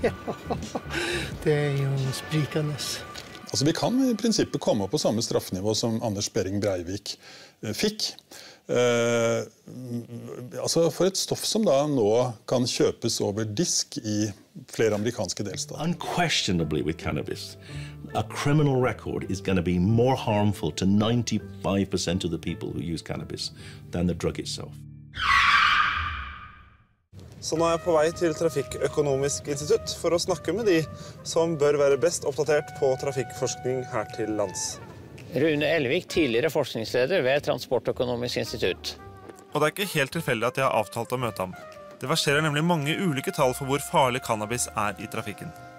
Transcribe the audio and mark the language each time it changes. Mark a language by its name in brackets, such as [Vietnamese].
[Norwegian] Ja, det er jo sprikende. Altså, vi kan i prinsippet komme på samme straffnivå som Anders Behring Breivik fikk. Altså, for et stoff som da nå kan kjøpes over disk i flere amerikanske delstater. [English] Unquestionably with cannabis. A criminal record is going to be more harmful to 95% of the people who use cannabis than the drug itself. [Norwegian] Så nå jeg på vei til Trafikkøkonomisk institutt for å snakke med de som bør være best oppdatert på trafikkforskning her til lands. Rune Elvik, tidligere forskningsleder ved Transportøkonomisk institutt. Og det er ikke helt tilfeldig at jeg har avtalt å møte ham. Det verserer nemlig mange ulike tall for hvor farlig cannabis er i trafikken.